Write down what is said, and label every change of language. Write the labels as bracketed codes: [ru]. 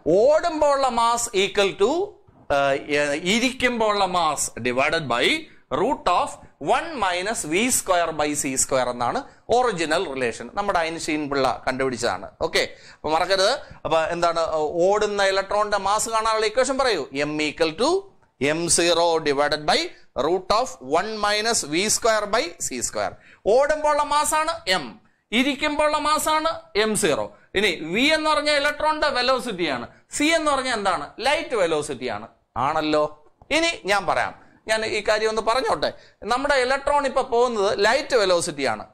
[ml] ഓടുമ്പോഴുള്ള mass equal to ഇരിക്കുമ്പോഴുള്ള mass divided by root of 1-V²/C² എന്നാണ് original relation. നമ്മുടെ Einstein Pillai കണ്ടുപിടിച്ചതാണ്. Okay, അപ്പൊ മറക്കരുത്. അപ്പൊ എന്താണ് ഓടുന്ന ഇലക്ട്രോണിന്റെ മാസ് കാണാനുള്ള ഇക്വേഷൻ പറയൂ. M equal to [en] m0 divided by root of 1 minus v square by c square. [ml] ഓടുമ്പോഴുള്ള മാസാണ് m, ഇരിക്കുമ്പോഴുള്ള മാസാണ് m0. ഇനി v എന്ന് പറഞ്ഞാൽ ഇലക്ട്രോണിന്റെ വെലോസിറ്റിയാണ്, c എന്ന് പറഞ്ഞാൽ എന്താണ്, ലൈറ്റ് വെലോസിറ്റിയാണ്. ആണല്ലോ. ഇനി ഞാൻ പറയാം, ഞാൻ ഈ കാര്യം ഒന്ന് പറഞ്ഞോട്ടെ. നമ്മുടെ ഇലക്ട്രോൺ ഇപ്പൊ പോകുന്നത് ലൈറ്റ് വെലോസിറ്റിയാണ്.